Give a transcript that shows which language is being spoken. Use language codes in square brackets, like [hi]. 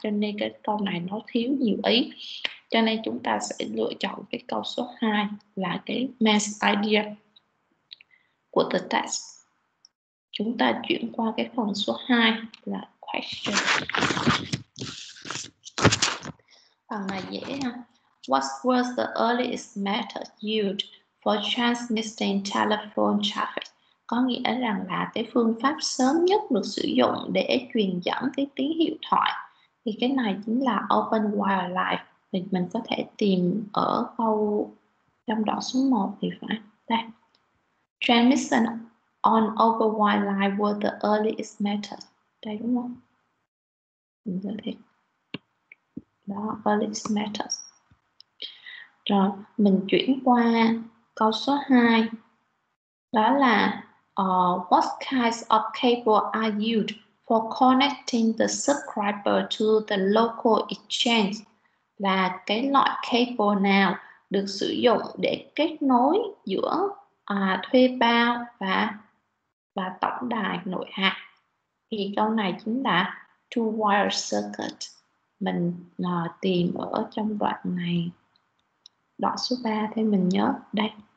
[vi] Cho nên cái câu này nó thiếu nhiều ý, cho nên chúng ta sẽ lựa chọn cái câu số 2 là cái main idea của the test. Chúng ta chuyển qua cái phần số 2 là question. Phần này dễ ha. [en] What was the earliest method used for transmitting telephone traffic? [vi] Có nghĩa rằng là cái phương pháp sớm nhất được sử dụng để truyền dẫn cái tín hiệu thoại, thì cái này chính là open wireline. Thì mình có thể tìm ở câu trong đoạn số 1 thì phải. Đây. [en] Transmission on open wireline was the earliest method. [vi] Đây đúng không? Mình có thể. Đó, earliest method. Rồi, mình chuyển qua câu số 2. Đó là [en] what kinds of cable are used for connecting the subscriber to the local exchange? [vi] Là cái loại cable nào được sử dụng để kết nối giữa thuê bao và tổng đài nội hạt? Thì câu này chính là two wire circuit. Mình tìm ở trong đoạn này, đoạn số 3 thì mình nhớ đây.